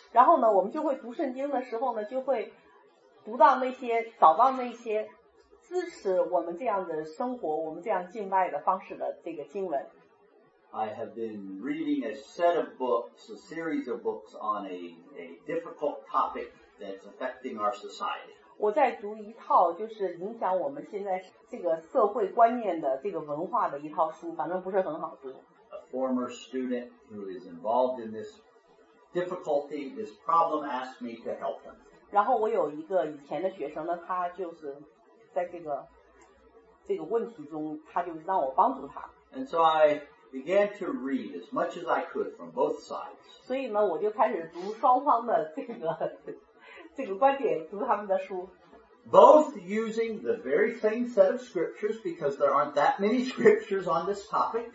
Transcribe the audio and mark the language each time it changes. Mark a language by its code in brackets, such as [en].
[zh] 然后呢我们就会读圣经的时候呢就会读到那些找到那些支持我们这样的生活我们这样敬拜的方式的这个经文 [en] I have been reading a set of books a series of books on a difficult topic that's affecting our society [zh] 我在读一套就是影响我们现在这个社会观念的这个文化的一套书反正不是很好读 [en] A former student who is involved in this difficulty this problem asked me to help him [zh] 然后我有一个以前的学生呢他就是在这个问题中他就让我帮助他 [en] And so I began to read as much as I could from both sides [zh] 所以呢我就开始读双方的这个观点读他们的书 [en] Both using the very same set of scriptures because there aren't that many scriptures on this topic